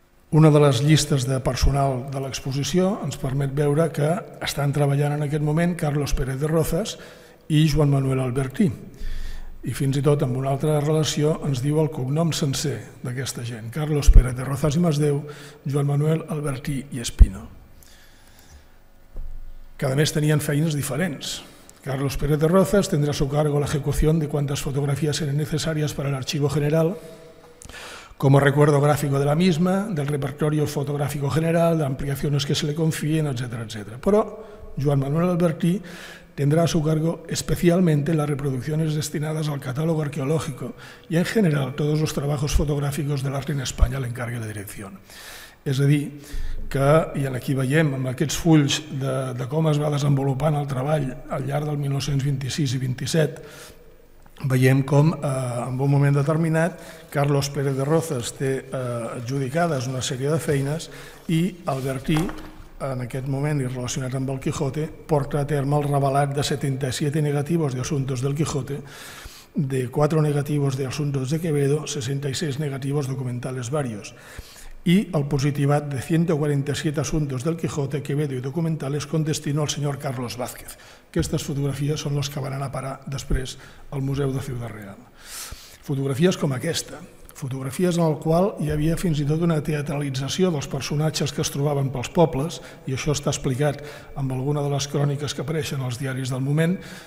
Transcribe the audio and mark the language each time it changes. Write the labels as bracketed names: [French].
[Catalan] Una de les llistes de personal de l'exposició ens permet veure que estan treballant en aquest moment Carlos Pérez de Rozas i Joan Manuel Albertí. I fins i tot amb una altra relació ens diu el cognom sencer d'aquesta gent: Carlos Pérez de Rozas i Masdeu, Joan Manuel Albertí i Espino. Que a més tenien feines diferents. [Spanish] Carlos Pérez de Rozas tendrá a su cargo la ejecución de cuantas fotografías eran necesarias para el archivo general, como recuerdo gráfico de la misma, del repertorio fotográfico general, de ampliaciones que se le confíen, etcétera, etcétera. Pero Joan Manuel Albertí tendrá a su cargo especialmente las reproducciones destinadas al catálogo arqueológico y en general todos los trabajos fotográficos del arte en España le encargue la dirección. [Catalan] És a dir, que, i aquí veiem amb aquests fulls de com es va desenvolupant el treball al llarg del 1926 i 27, veiem com en un moment determinat Carlos Pérez de Rozas té adjudicades una sèrie de feines i Albertí, en aquest moment i relacionat amb el Quijote, porta a terme el revelat de [Spanish] 77 negativos de Asuntos del Quijote, de 4 negativos de Asuntos de Quevedo, 66 negativos documentales varios. Y el positivat de 147 asuntos del Quijote, Quevedo y documentales con destino al señor Carlos Vázquez. [Catalan] Aquestes fotografies són les que van anar a parar després al Museu de Ciutat Real. Fotografies com aquesta, fotografies en el qual hi havia fins i tot una teatralització dels personatges que es trobaven pels pobles, i això està explicat amb alguna de les cròniques que apareixen als diaris del moment.